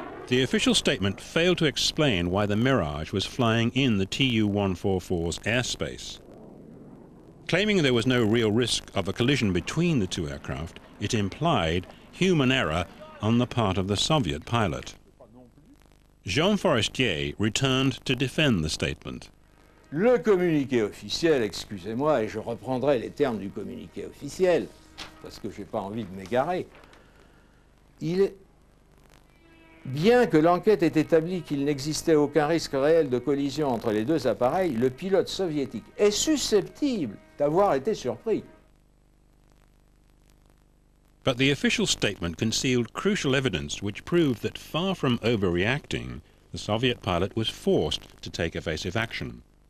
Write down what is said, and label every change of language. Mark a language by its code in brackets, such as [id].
[en] The official statement failed to explain why the Mirage was flying in the Tu-144's airspace. Claiming there was no real risk of a collision between the two aircraft, it implied human error on the part of the Soviet pilot. Jean Forestier returned to defend the statement. [fr] Le communiqué officiel, excusez-moi, et je reprendrai les termes du communiqué officiel, parce que j'ai pas envie de m'égarer. Il est... Bien que l'enquête ait établi qu'il n'existait aucun risque réel de collision entre les deux appareils, le pilote soviétique est susceptible d'avoir été surpris. [en] But the official statement concealed crucial evidence which proved that far from overreacting, the Soviet pilot was forced to take evasive action.